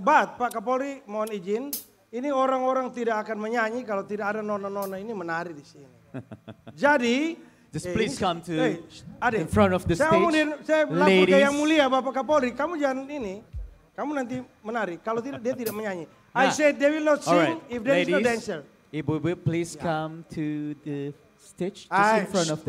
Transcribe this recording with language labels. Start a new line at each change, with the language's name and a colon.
Indonesian: But Pak Kapolri, mohon izin, ini orang-orang tidak akan menyanyi kalau tidak ada nona-nona ini menari di sini. Jadi,
English: just please come to in front of the stage.
Indonesian: Saya lapor ke Yang Mulia Bapak Kapolri, kamu jangan ini, kamu nanti menari. Kalau tidak, dia tidak menyanyi.
English: Nah, I said they will not sing if there ladies, is no dancer. Ibu-ibu, please come to the stage, just in front of the